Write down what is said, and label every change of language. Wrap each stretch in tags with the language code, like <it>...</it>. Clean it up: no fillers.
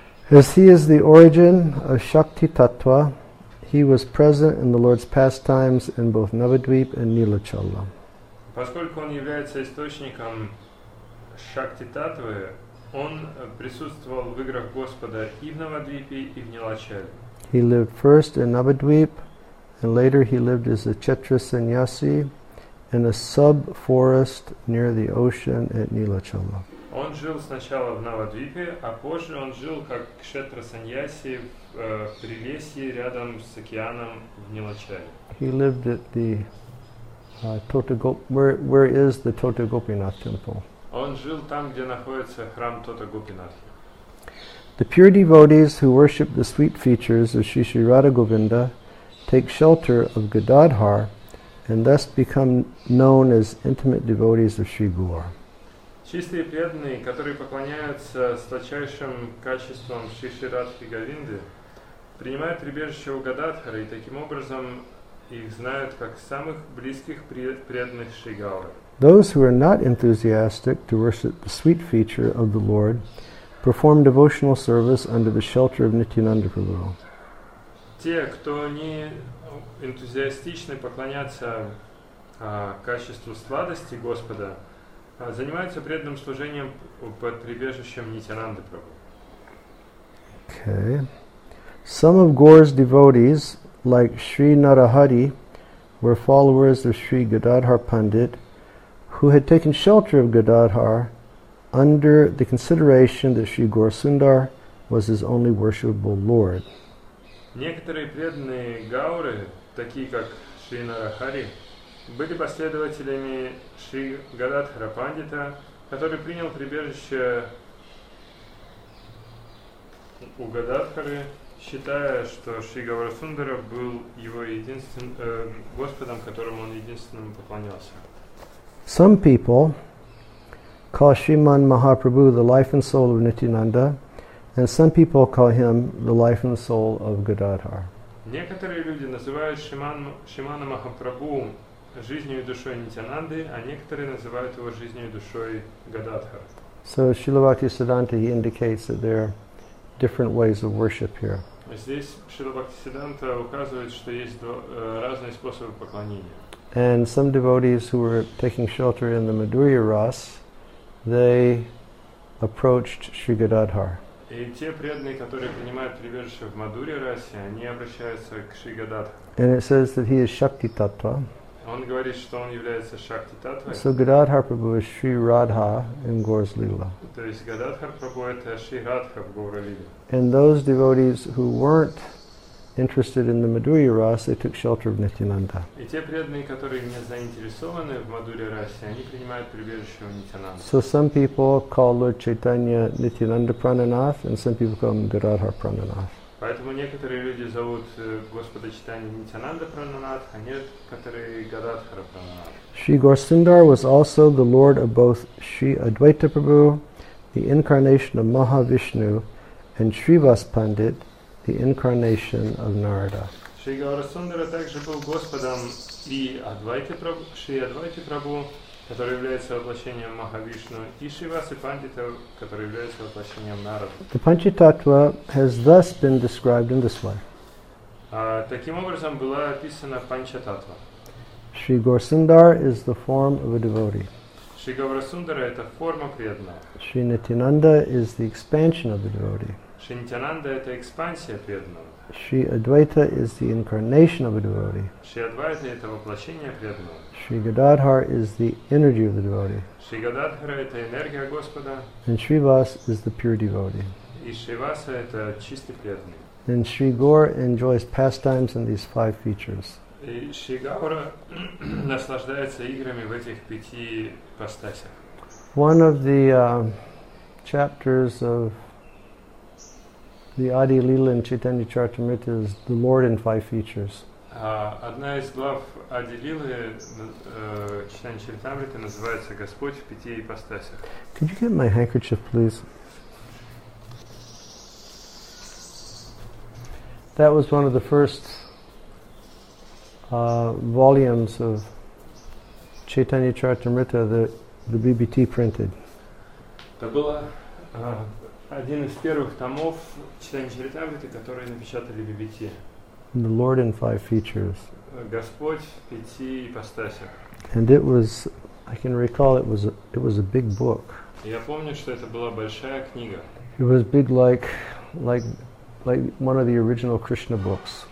<en>As he is the origin of Shakti Tattva, he was present in the Lord's pastimes in both Navadvip and Nilachala.</en> <ru>Поскольку он является источником Шакти Таттвы, он присутствовал в играх Господа и в Навадвипе, и в Нилачале.</ru> <en>He lived first in Navadvip, and later he lived as a Chetra Sannyasi in a sub-forest near the ocean at Nilachala.</en> <ru>Он жил сначала в Навадвипе, а позже он жил как Кшетра Саньяси в прилесье рядом с океаном в Нилачале.</ru> <en>He lived at the where is the Totagopinath temple?</en> <ru>Он жил там, где находится храм Тотагопинат.</ru> <en>The pure devotees who worship the sweet features of Sri Sri Radha Govinda take shelter of Gadadhar and thus become known as intimate devotees of Sri Gaur.</en> <ru>Чистые преданные, которые поклоняются сладчайшим качествам Шри Шри Радхи Говинды, принимают прибежище у Гададхары и таким образом их знают как самых близких преданных Шри Гауры.</ru> <en>Those who are not enthusiastic to worship the sweet feature of the Lord perform devotional service under the shelter of Nityananda Prabhu.</en> <ru>Те, кто не энтузиастичны поклоняться качеству сладости Господа, занимаются преданным служением под прибежищем Нитянанды Прабху.</ru> <en>Okay. Some of Gaur's devotees, like Sri Narahari, were followers of Sri Gadadhar Pandit, who had taken shelter of Gadadhar under the consideration that Sri Gaurasundar was his only worshipable Lord.</en> <ru>Некоторые преданные Гауры, такие как Шри Нарахари, были последователями Шри Гададхара Пандита, который принял прибежище у Гададхары, считая, что Шри Гаурасундара был его единственным Господом, которому он единственным поклонялся.</ru> <en>Some people call Sriman Mahaprabhu the life and soul of Nityananda, and some people call him the life and soul of Gadadhar.</en> <ru>Некоторые люди называют Шримана Махапрабху жизнью и душой Нитянанды, а некоторые называют его жизнью и душой Гададхар.</ru> <en>So Srila Bhakti Siddhanta, he indicates that there are different ways of worship here.</en> <ru>Здесь Шрила Бхакти Сиддханта указывает, что есть разные способы поклонения.</ru> <en>And some devotees who were taking shelter in the Madhurya Ras, they approached Sri Gadadhar.</en> <ru>И те преданные, которые принимают прибежище в Мадхурья Расе, они обращаются к Шри Гададхар.</ru> <en>And it says that he is Shakti Tattva.</en> <ru>Он говорит, что он является Шакти Таттвой.</ru> <en>So Gadadhar Prabhu is Sri Radha in Gaur's Lila.</en> <ru>То есть Гададхар Прабху — это Шри Радха в Гаура Лиле.</ru> <en>And those devotees who weren't interested in the Madhurya Ras, they took shelter of Nityananda.</en> <ru>И те преданные, которые не заинтересованы в Мадхурья Расе, они принимают прибежище у Нитянанды.</ru> <en>So some people call Lord Chaitanya Nityananda Prananath, and some people call him Gadadhar Prananath.</en> <ru>Поэтому некоторые люди зовут Господа Чайтанья Нитянанда Прананат, а некоторые — Гададхара Прананат.</ru> <en>Sri Gaurasundara was also the lord of both Sri Advaita Prabhu, the incarnation of Mahavishnu, and Srivas Pandit, the incarnation of Narada.</en> <ru>Sri Gaurasundara также был Господом и Адвайты Прабху, Шри Адвайты Прабху, который является воплощением Махавишну, и Шриваса Пандита, который является воплощением Нарада.</ru> <en>The Panchatattva has thus been described in this way.</en> <ru>Таким образом была описана Панчататва.</ru> <en>Sri Gaurasundar is the form of a devotee.</en> <ru>Шри Гаурасундара — это форма преданного.</ru> <en>Sri Nityananda is the expansion of the devotee.</en> <ru>Шри Нитянанда — это экспансия преданного.</ru> <en>Sri Advaita is the incarnation of a devotee.</en> <ru>Шри Адвайта — это воплощение преданного.</ru> <en>Sri Gadadhar is the energy of the devotee.</en> <ru>Шри Гададхара — это энергия Господа.</ru> <en>And Srivas is the pure devotee.</en> <ru>И Шриваса — это чистый преданный.</ru> <en>And Sri Gaur enjoys pastimes in these five features.</en> <ru>И Шри Гаура наслаждается играми в этих пяти ипостасях.</ru> <en>One of the chapters of the Adi Lila in Chaitanya Charitamrita is the Lord in five features.</en> <ru>Одна из глав Adi Lila Chaitanya Charitamrita называется Господь в пяти ипостасях.</ru> <en>Could you get my handkerchief, please? That was one of the first volumes of Chaitanya Charitamrita that the BBT printed.</en> <ru>Один из первых томов Чайтанья Чаритамриты, которые напечатали BBT.</ru> <en>The Lord in Five Features.</en> <ru>Господь в пяти ипостасях.</ru> <en>And it was, I can recall, it was a big book.</en> <ru>Я помню, что это была большая книга.</ru> <en>It was big like one of the original Krishna books.</en>